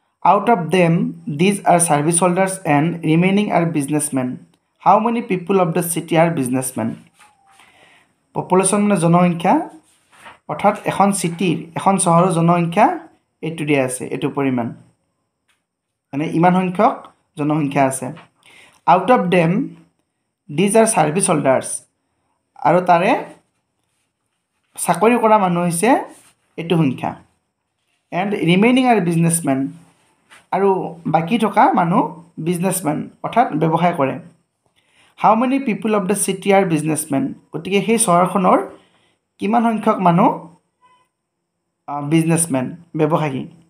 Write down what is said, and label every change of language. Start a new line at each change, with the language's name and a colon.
English: Out of them, these are service holders and remaining are businessmen. How many people of the city are businessmen?
Assamese: Population মানে জনসংখ্যা, অর্থাৎ এখন চিটিৰ এখন চহৰৰ জনসংখ্যা এইটো দিয়া আছে, এইটো পৰিমাণ, মানে ইমান সংখ্যক জনসংখ্যা আছে।
English: Out of them, these are service holders.
Assamese: আৰু তাৰে চাকৰি কৰা মানুহ হৈছে এইটো সংখ্যা।
English: And remaining are businessmen.
Assamese: আৰু বাকী থকা মানুহ বিজনেছমেন, অৰ্থাৎ ব্যৱসায় কৰে।
English: how many people of the city are businessmen,
Assamese: গতিকে সেই চহৰখনৰ কিমান সংখ্যক মানুহ বিজনেছমেন, ব্যৱসায়ী।